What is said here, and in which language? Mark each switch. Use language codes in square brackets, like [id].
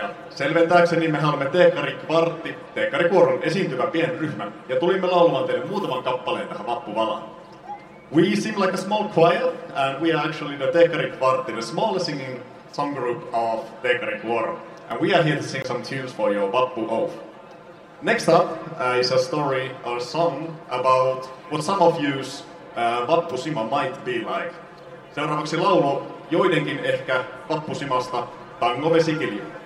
[fi] Selventääkseni mehän olemme teekkarikvartti, teekkarikuoron esiintyvä pienryhmä, ja tulimme laulamaan teille muutaman kappaleen tähän vappuvalaan. [en] We seem like a small choir, and we are actually the teekkarikvartti, the smallest singing song group of teekkarikuoro. And we are here to sing some tunes for your vappu oath. Next up is a story or song about what some of you's vappusima might be like. [fi] Seuraavaksi laulu joidenkin ehkä vappusimasta Tango Vesikilju.